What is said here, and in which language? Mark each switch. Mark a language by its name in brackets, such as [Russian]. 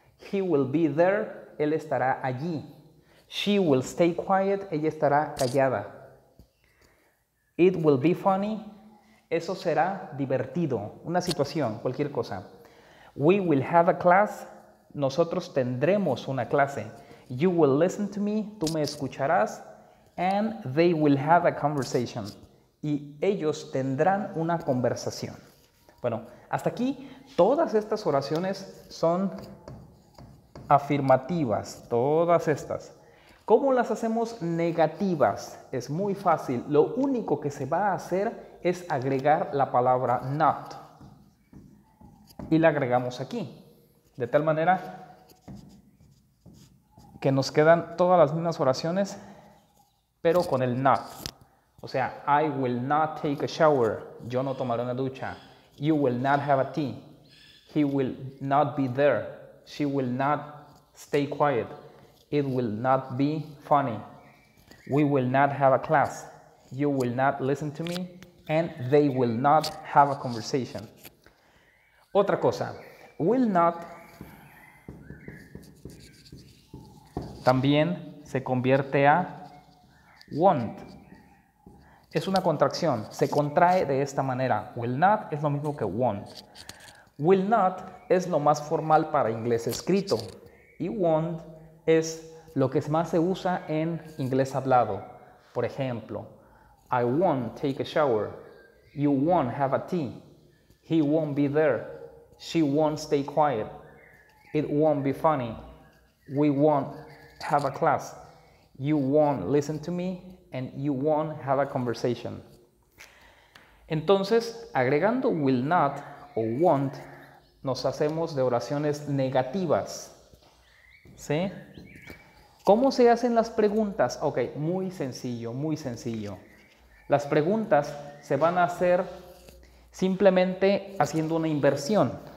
[English] He will be there. [Spanish] Él estará allí. [English] She will stay quiet. [Spanish] Ella estará callada. [English] It will be funny. [Spanish] Eso será divertido. Una situación, cualquier cosa. [English] We will have a class. [Spanish] Nosotros tendremos una clase. [English] You will listen to me. [Spanish] Tú me escucharás. [English] And they will have a conversation. [Spanish] Y ellos tendrán una conversación. Bueno, hasta aquí todas estas oraciones son afirmativas, todas estas. ¿Cómo las hacemos negativas? Es muy fácil. Lo único que se va a hacer es agregar la palabra not. Y la agregamos aquí. De tal manera que nos quedan todas las mismas oraciones, pero con el not. O sea, [English] I will not take a shower. [Spanish] Yo no tomaré una ducha. [English] You will not have a tea. He will not be there. She will not stay quiet. It will not be funny. We will not have a class. You will not listen to me. And they will not have a conversation. [Spanish] Otra cosa. Will not también se convierte a won't. Es una contracción, se contrae de esta manera. Will not es lo mismo que won't. Will not es lo más formal para inglés escrito. Y won't es lo que más se usa en inglés hablado. Por ejemplo, [English] I won't take a shower. You won't have a tea. He won't be there. She won't stay quiet. It won't be funny. We won't have a class. You won't listen to me. And you won't have a conversation. [Spanish] Entonces, agregando will not o won't, nos hacemos de oraciones negativas. ¿Sí? ¿Cómo se hacen las preguntas? Ok, muy sencillo, muy sencillo. Las preguntas se van a hacer simplemente haciendo una inversión.